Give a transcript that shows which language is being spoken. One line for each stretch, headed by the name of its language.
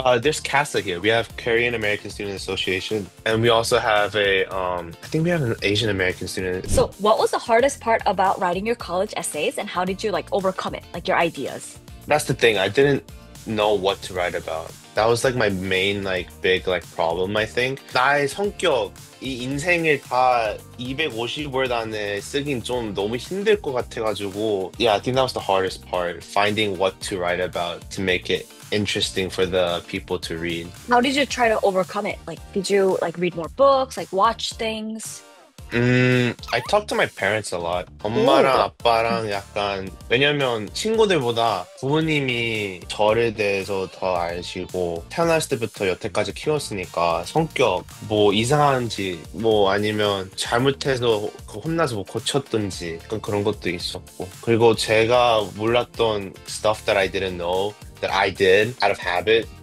English: There's CASA here. We have Korean American Student Association, and we also have a I think we have an Asian American student. So what was the hardest part about writing your college essays, and how did you like overcome it, like your ideas? That's the thing, I didn't know what to write about. That was like my main like big like problem, I think.
Korean: 나의 성격, 이 인생을 다 250word 안에 쓰긴 좀 너무 힘들 것 같아가지고.
English: Yeah, I think that was the hardest part, finding what to write about to make it interesting for the people to read. How did you try to overcome it? Like, did you like read more books, like watch things? I talk to my parents a lot.
Korean: 엄마랑 아빠랑 약간 왜냐면 친구들보다 부모님이 저를 대해서 더 아시고 태어날 때부터 여태까지 키웠으니까 성격 뭐 이상한지 뭐 아니면 잘못해서 혼나서 뭐 고쳤던지 약간 그런 것도 있었고 그리고 제가 몰랐던
English: stuff that I didn't know that I did out of habit.